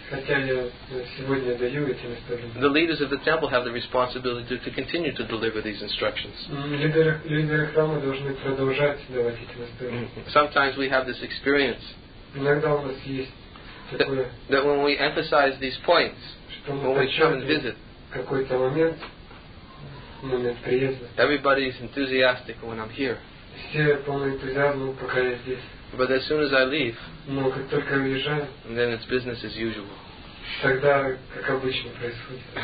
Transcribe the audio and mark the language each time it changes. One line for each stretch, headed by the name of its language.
Russian: хотя я сегодня даю эти наставления.
English: The leaders of the temple have the responsibility to continue to deliver these instructions.
Russian: Лидеры храма должны продолжать давать эти наставления.
English: Sometimes we have this experience.
Russian: Иногда у нас есть такое.
English: That when we emphasize these points, when we come and visit,
Russian: какой-то момент приезда.
English: Everybody is enthusiastic when I'm here.
Russian: Все полны энтузиазма, пока я здесь.
English: But as soon as I leave,
Russian: но как только уезжаю,
English: then it's business as usual.
Russian: Тогда как обычно происходит.